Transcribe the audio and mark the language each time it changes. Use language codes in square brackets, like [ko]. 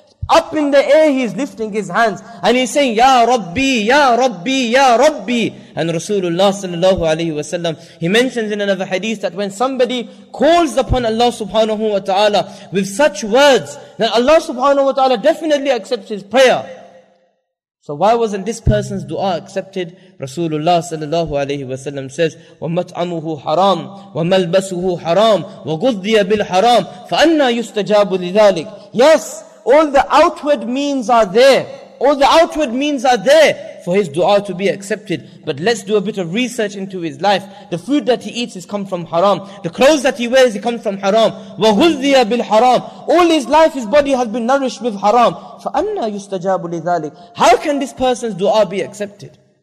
[en] Up in the air, he's lifting his hands. And he's saying, Ya Rabbi, Ya Rabbi, Ya Rabbi. And Rasulullah sallallahu alayhi wa sallam, he mentions in another hadith that when somebody calls upon Allah subhanahu wa ta'ala with such words, then Allah subhanahu wa ta'ala definitely accepts his prayer. So why wasn't this person's dua accepted? Rasulullah sallallahu alayhi wa sallam says, [ar] وَمَتْعَمُهُ حَرَامُ وَمَلْبَسُهُ حَرَامُ وَغُذِّيَ بِالْحَرَامُ فَأَنَّا يُسْتَجَابُ لِذَلِكَ. [en] Yes, all the outward means are there. All the outward means are there for his dua to be accepted. But let's do a bit of research into his life. The food that he eats is come from haram. The clothes that he wears, he comes from haram. [ar] وَغُذِّيَ بِالْحَرَامُ. [en] All his life, his body has been nourished with haram. [ar] فَأَنَّا يُسْتَجَابُ لِذَلِكَ. [en] How can this person's dua be accepted?